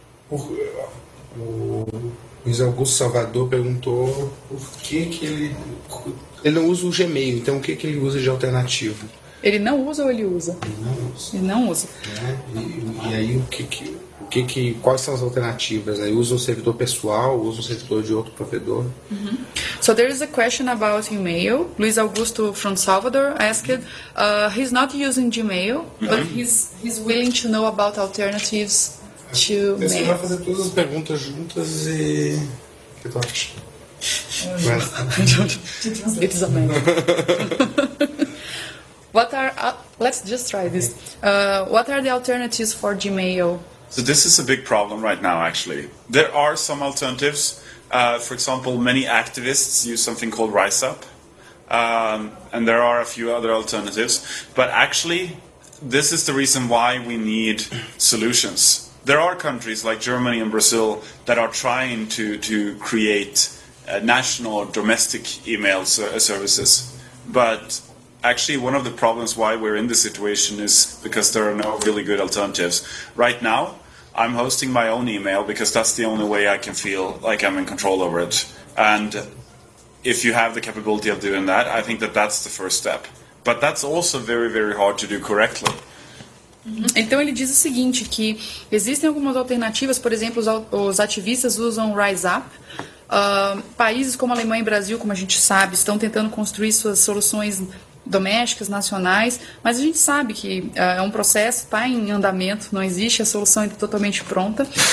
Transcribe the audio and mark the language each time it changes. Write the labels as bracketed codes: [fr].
[pt] O Luiz Augusto Salvador perguntou por que que ele... Ele não usa o Gmail, então o que que ele usa de alternativo? Ele não usa ou ele usa? Ele não usa. Ele não usa. É, e aí o que que quais são as alternativas? Né? Usa um servidor pessoal, usa um servidor de outro provedor? [en] Uh-huh. So there is a question about email. Luiz Augusto from Salvador asked, he's not using Gmail, but he's willing to know about alternatives to mail. [pt] Você vai fazer todas as perguntas juntas e... Que tu acha? [en] It is a man. What are let's just try this. What are the alternatives for Gmail? So this is a big problem right now, actually. There are some alternatives. For example, many activists use something called RiseUp. And there are a few other alternatives. But actually, this is the reason why we need solutions. There are countries like Germany and Brazil that are trying to create national or domestic email services. But actually, one of the problems why we're in this situation is because there are no really good alternatives. Right now, I'm hosting my own email because that's the only way I can feel like I'm in control over it. And if you have the capability of doing that, I think that that's the first step. But that's also very, very hard to do correctly. [pt] Então ele diz o seguinte, que existem algumas alternativas, por exemplo, os ativistas usam RiseUp. Países como a Alemanha e Brasil, como a gente sabe, estão tentando construir suas soluções domésticas, nacionais, mas a gente sabe que é um processo, está em andamento, não existe a solução ainda totalmente pronta.